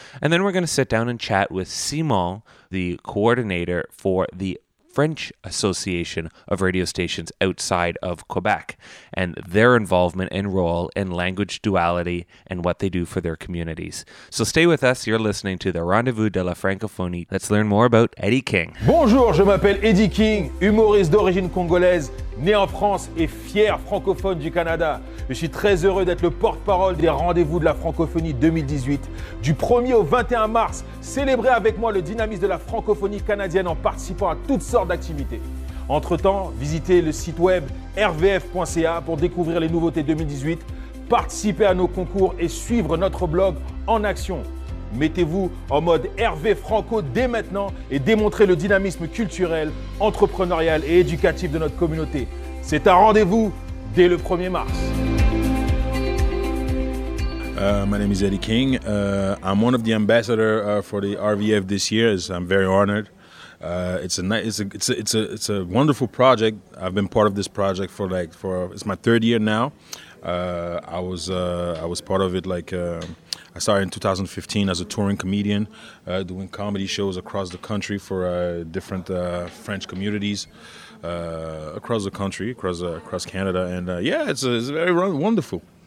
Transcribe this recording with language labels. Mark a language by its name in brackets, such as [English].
[English] And then we're going to sit down and chat with Simon, the coordinator for the French Association of Radio Stations outside of Quebec, and their involvement and role in language duality and what they do for their communities. So stay with us. You're listening to the Rendezvous de la Francophonie. Let's learn more about Eddie King. [French] Bonjour, je m'appelle Eddie King, humoriste d'origine congolaise, né en France et fier francophone du Canada. Je suis très heureux d'être le porte-parole des Rendez-vous de la Francophonie 2018. Du 1er au 21 mars, célébrez avec moi le dynamisme de la francophonie canadienne en participant à toutes sortes d'activités. Entre-temps, visitez le site web rvf.ca pour découvrir les nouveautés 2018, participez à nos concours et suivre notre blog en action. Mettez-vous en mode RV Franco dès maintenant et démontrez le dynamisme culturel, entrepreneurial et éducatif de notre communauté. C'est un rendez-vous dès le 1er mars. [English] My name is Eddie King. I'm one of the ambassadors for the RVF this year. I'm very honored. It's a wonderful project. I've been part of this project it's my third year now. I was part of it I started in 2015 as a touring comedian, doing comedy shows across the country for different French communities, across the country, across Canada, and it's very wonderful.